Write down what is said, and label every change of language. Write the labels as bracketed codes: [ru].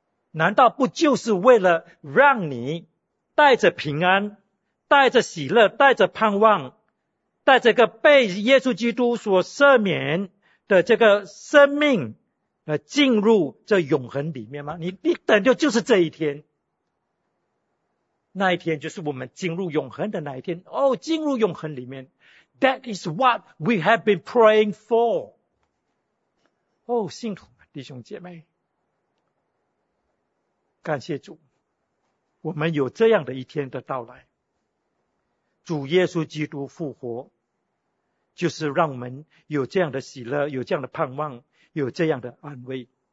[zh] 难道不就是为了让你带着平安，带着喜乐，带着盼望，带着个被耶稣基督所赦免的这个生命来进入这永恒里面吗？你等的就是这一天，那一天就是我们进入永恒的那一天。哦，进入永恒里面， [en] That is what we have been praying for。 [zh] 哦，信徒弟兄姐妹，感谢主，我们有这样的一天的到来。主耶稣基督复活，就是让我们有这样的喜乐，有这样的盼望，有这样的安慰。